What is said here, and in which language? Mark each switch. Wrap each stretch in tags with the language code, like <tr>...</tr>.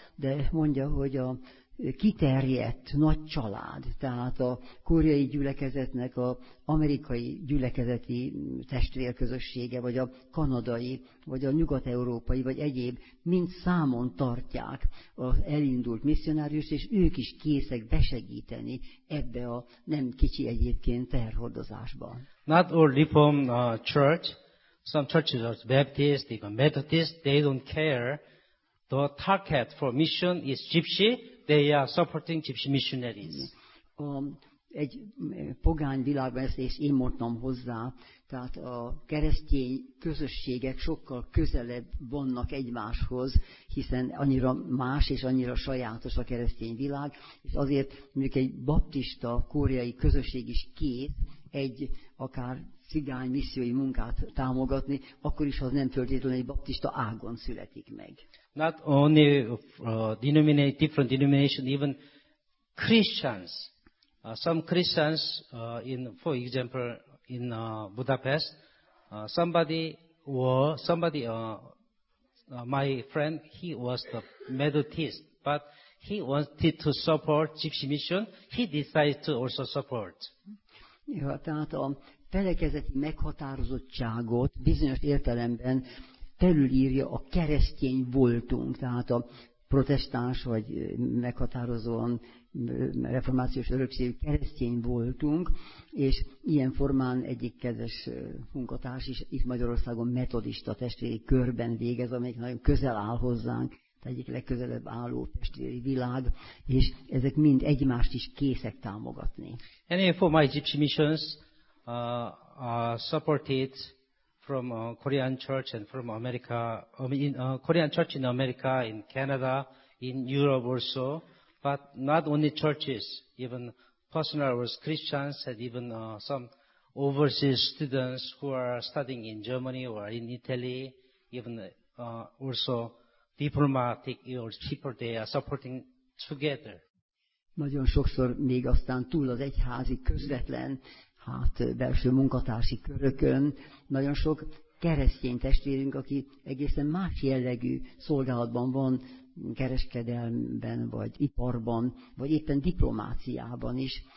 <hu>De mondja, hogy a kiterjedt nagy család, tehát a koreai gyülekezetnek az amerikai gyülekezeti testvérközössége, vagy a kanadai, vagy a nyugat-európai, vagy egyéb, mind számon tartják az elindult misszionárius, és ők is készek besegíteni ebbe a nem kicsi egyébként terhordozásba.</hu> <en>Not all Nippon church, some churches are Baptist, even Methodist, they don't care. The target for mission is gypsy. They are supporting gypsy missionaries.</en> <hu>Egy pogány világban ezt is én mondtam hozzá, tehát a keresztény közösségek sokkal közelebb vannak egymáshoz, hiszen annyira más és annyira sajátos a keresztény világ, és azért mondjuk egy baptista koreai közösség is kész egy akár cigány missziói munkát támogatni, akkor is az nem feltétlenül egy baptista ágon születik meg.</hu> <en>Not only different denomination, even Christians. Some Christians, for example, in Budapest, my friend, he was the Methodist, but he wanted to support Gypsy Mission. He decided to also support.</en> <hu>Ja, tehát a felekezeti meghatározottságot bizonyos értelemben felülírja a keresztény voltunk, tehát a protestáns vagy meghatározóan reformációs örökségű keresztény voltunk, és ilyen formán egyik kedves munkatárs is itt Magyarországon metodista testvéri körben végez, amelyik nagyon közel áll hozzánk, egyik legközelebb álló testvéri világ, és ezek mind egymást is készek támogatni.</hu> <en>Any of my Egyptian missions are supported from Korean church and from America, I mean in Korean church in America, in Canada, in Europe also, but not only churches, even personal was Christians and even some overseas students who are studying in Germany or in Italy, even also diplomatic or people they are supporting together.</en> <hu>Nagyon sokszor még aztán túl az egyházi közvetlen, hát belső munkatársi körökön, nagyon sok keresztény testvérünk, aki egészen más jellegű szolgálatban van, kereskedelmben, vagy iparban, vagy éppen diplomáciában is.</hu>